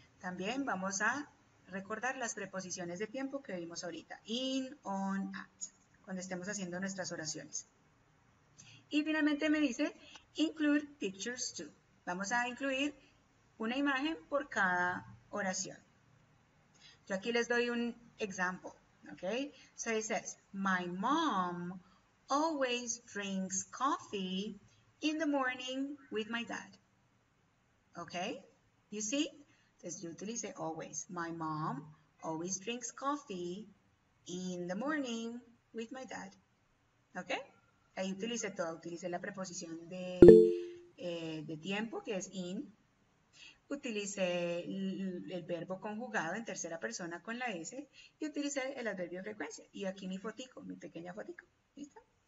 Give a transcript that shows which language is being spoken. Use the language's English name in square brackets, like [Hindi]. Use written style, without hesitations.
[Spanish] También vamos a recordar las preposiciones de tiempo que vimos ahorita. In, on, at. Cuando estemos haciendo nuestras oraciones. Y finalmente me dice, [English] include pictures too. [Spanish] Vamos a incluir una imagen por cada oración. Yo aquí les doy un example, okay? [English] So it says, my mom always drinks coffee in the morning with my dad. Okay? You see? [Spanish] Entonces yo utilicé always. [English] My mom always drinks coffee in the morning with my dad. Okay? [Spanish] Ahí utilicé todo, utilicé la preposición de tiempo, que es in. Utilicé el verbo conjugado en tercera persona con la S. Y utilicé el adverbio de frecuencia. Y aquí mi fotico, mi pequeña fotico. ¿Listo?